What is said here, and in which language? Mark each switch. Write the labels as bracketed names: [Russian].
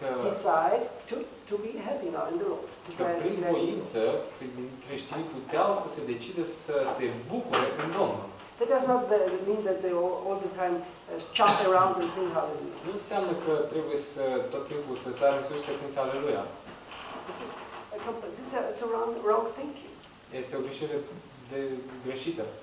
[English] Decide to be happy now in the Lord. [Romanian] Că prin voință, creștinii puteau să se decide să se bucure în Domnul. [English] That does not mean that they all the time chant around and sing hallelujah. [Romanian] Nu înseamnă că trebuie să tot timpul să sară în sus și să cânte aleluia. [English] It's a wrong thinking. [Romanian] Este o greșeală greșită.